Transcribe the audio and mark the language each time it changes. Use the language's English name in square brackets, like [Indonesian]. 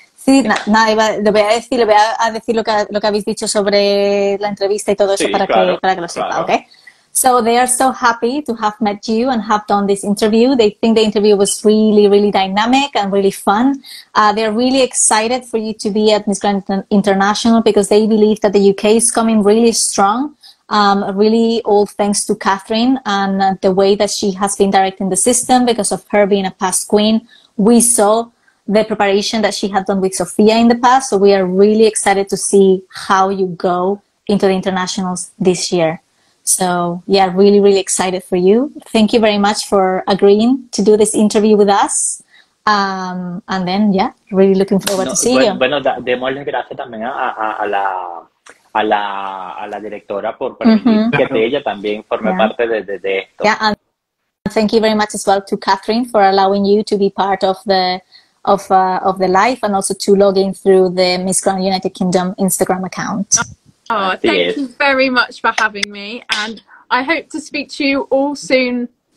[Spanish] Sí, nada, le voy a decir, lo que habéis dicho sobre la entrevista y todo eso, sí, para que lo sepa, ¿Ok? [English] So they are so happy to have met you and have done this interview. They think the interview was really, really dynamic and really fun. They're really excited for you to be at Miss Grand International because they believe that the UK is coming really strong, really all thanks to Catherine and the way that she has been directing the system because of her being a past queen. We saw the preparation that she had done with Sophia in the past, so we are really excited to see how you go into the internationals this year. So yeah, really, really excited for you. Thank you very much for agreeing to do this interview with us. And then, yeah, really looking forward to seeing you. [Spanish] Bueno, démosle gracias también a la directora por permitir que ella también forme parte de esto. [English] Yeah, and thank you very much as well to Catherine for allowing you to be part of the live and also to log in through the Miss Grand United Kingdom Instagram account. Thank you very much for having me, and I hope to speak to you all soon